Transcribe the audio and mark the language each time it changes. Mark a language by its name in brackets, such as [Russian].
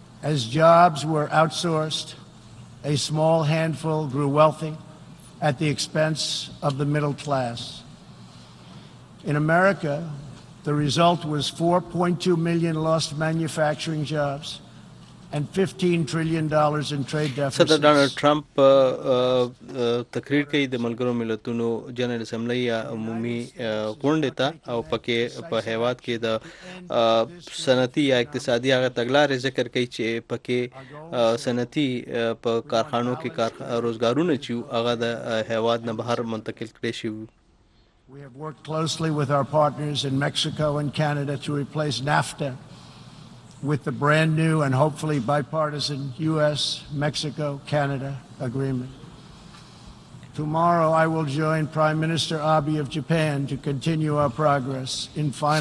[English] As jobs were outsourced, a small handful grew wealthy at the expense of the middle class. In America, the result was 4.2 million lost manufacturing jobs and $15 trillion in trade deficits. [Pashto] صدر ډونالډ ټرمپ تقریر کوي د ملګرو ملتونو جنرال اسمبلی یا عمومي غونډې ته، او پکې په هیواد کې د صنعتي یا اقتصادي هغه تګلارې ذکر کوي چې پکې صنعتي په کارخانو کې روزګارونه چې هغه د هیواد نه بهر منتقل کړي شي. [English] We have worked closely with our partners in Mexico and Canada to replace NAFTA with the brand new and hopefully bipartisan U.S.-Mexico-Canada agreement. Tomorrow, I will join Prime Minister Abe of Japan to continue our progress in finalizing